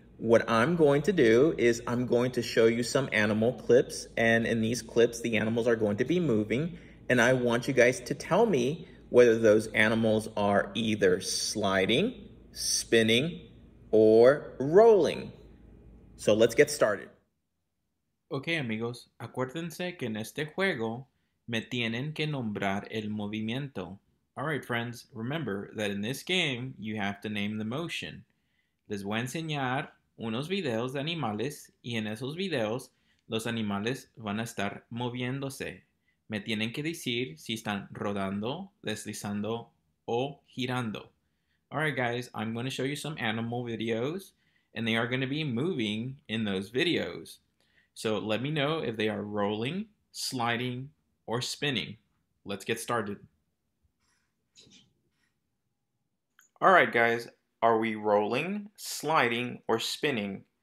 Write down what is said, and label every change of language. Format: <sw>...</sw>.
<en>What I'm going to do is I'm going to show you some animal clips, and in these clips, the animals are going to be moving, and I want you guys to tell me whether those animals are either sliding, spinning, or rolling. So let's get started.</en> <es>Okay, amigos, acuérdense que en este juego me tienen que nombrar el movimiento.</es> <en>All right, friends, remember that in this game, you have to name the motion.</en> <es>Les voy a enseñar unos videos de animales, y en esos videos, los animales van a estar moviéndose. Me tienen que decir si están rodando, deslizando, o girando.</es> <en>All right, guys, I'm going to show you some animal videos, and they are going to be moving in those videos. So let me know if they are rolling, sliding, or spinning. Let's get started. All right, guys. Are we rolling, sliding, or spinning?</en>